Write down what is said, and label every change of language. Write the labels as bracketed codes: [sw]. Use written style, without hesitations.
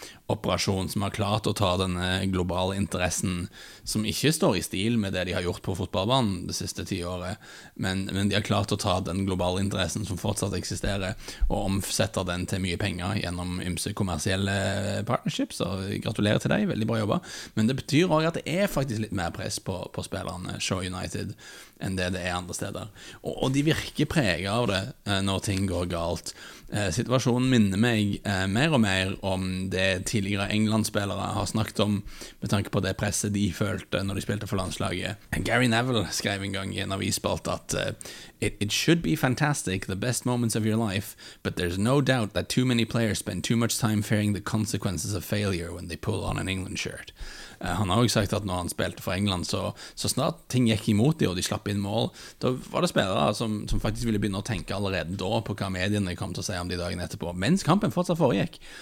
[no] operasjon som har klart å ta den globale interessen som ikke står I stil med det de har gjort på fotballbanen de siste 10 årene men de har klart å ta den globale interessen som fortsatt eksisterer og omsette den til mye penger gjennom ymse kommersielle partnerships så gratulerer til deg, veldig bra jobba men det betyr også at det faktisk litt mer press på spillerne Show United enn det det andre steder og de virker preget av det når ting går galt Situasjonen minner meg mer og mer om det tidligere England-spillere har snakket om med tanke på det presset de følte når de spilte for landslaget. [en] Gary Neville [no] skrev en gang I en avisspalt at [en] It should be fantastic, the best moments of your life, but there's no doubt that too many players spend too much time fearing the consequences of failure when they pull on an England shirt. [no] Han har også sagt at når han spilte for England så snart ting gikk imot de og de slapp inn mål, da var det spillere som faktisk ville begynne å tenke allerede da på hva mediene kom til å si om de dagen etterpå, mens kampen fortsatt foregikk.